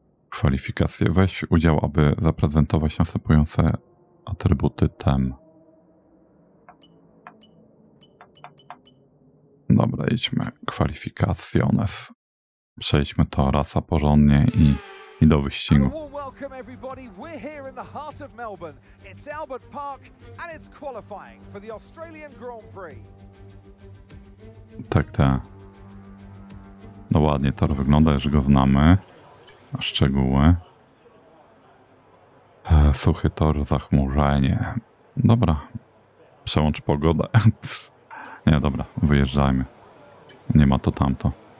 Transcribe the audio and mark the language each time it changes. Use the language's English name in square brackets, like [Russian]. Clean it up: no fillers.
[Polish] Kwalifikacje. Weź udział, aby zaprezentować następujące atrybuty TEM. Dobra, idźmy. Kwalifikacje. Przejdźmy to raz a porządnie i do wyścigu. [English] Welcome everybody, we're here in the heart of Melbourne. It's Albert Park and it's qualifying for the Australian Grand Prix. [Polish] Tak, tak. No ładnie tor wygląda, już go znamy. Szczegóły. Suchy tor, zachmurzenie. Dobra. Przełącz pogodę. Nie, dobra, wyjeżdżajmy. Nie ma to tamto.